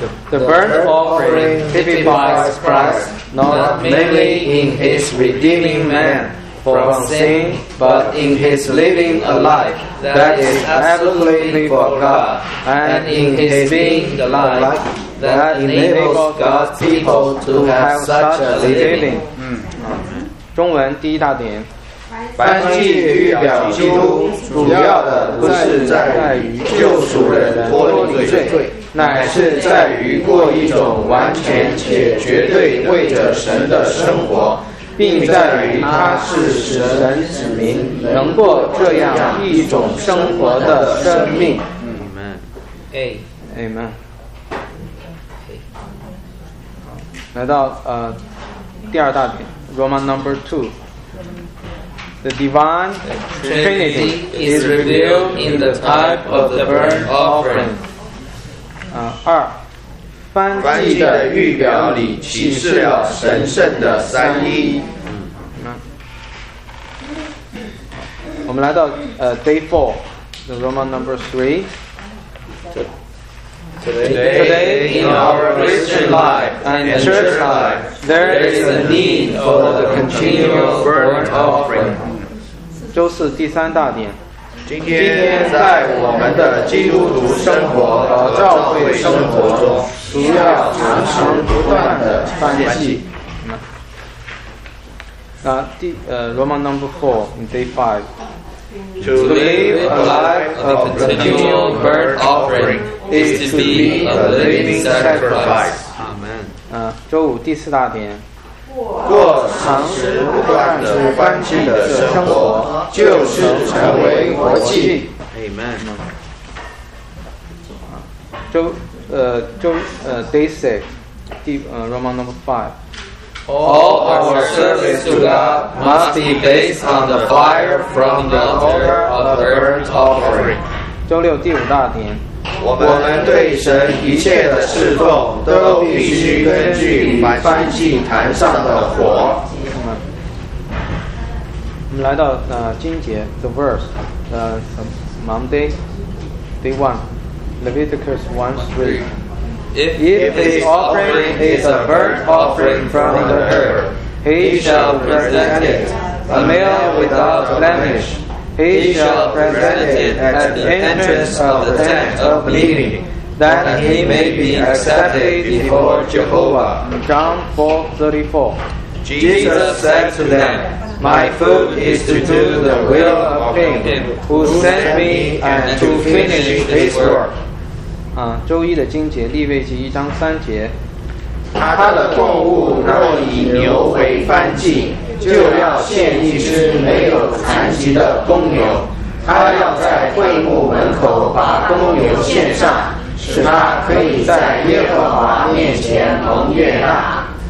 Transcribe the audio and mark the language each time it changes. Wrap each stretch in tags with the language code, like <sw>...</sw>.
<en>The burnt offering typifies Christ not mainly in his redeeming man. From sin, but in his living a life that is absolutely for God, and in his being the life that enables God's people to have such a living.</en> <zh>中文第一大点，燔祭预表基督，主要的不是在于救赎人脱离罪，乃是在于过一种完全且绝对为着神的生活。并在于他是神子民能过这样一种生活的生命。</zh> <en>Amen. Amen.</en> <zh>来到第二大点 ， Roman number 2.</zh> <en>The divine Trinity is revealed in the type of the burnt offering.</en> <zh>二。燔祭的预表里启示了神圣的三一。</zh> <en>我们来到 day 4, the Roman number 3. Today, in our Christian life and church life, there is a need for the continual burnt offering.</en> <zh>周四第三大点今天在我们的基督徒生活和教会生活中，需要常常不断的反省。罗马number four in day five.</zh> <en>To live a life of continual burnt offering is to be a living sacrifice.</en> <zh>Amen. 周五第四大点。过常时不断的欢庆的生活，就是成为活祭。</zh> <en>Amen. Day six, Roman number five. All our service to God must be based on the fire from the altar of the burnt offering.</en> <zh>周六第五大点。我们对神一切的侍奉都必须根据燔祭坛上的火。</zh> <en>我们来到经节 the verse, Monday, day one, Leviticus 1:3. If his offering is a burnt offering from the herd, he shall present it, a male without blemish. He shall present it at the entrance of the tent of meeting, that he may be accepted before Jehovah. John 4:34. Jesus said to them, My food is to do the will of him who sent me and to finish his work.</en> <zh>周一的经节，利未记1:3。他的供物若以牛为燔祭，就要献一只没有残疾的公牛。他要在会幕门口把公牛献上，使他可以在耶和华面前蒙悦纳。</zh>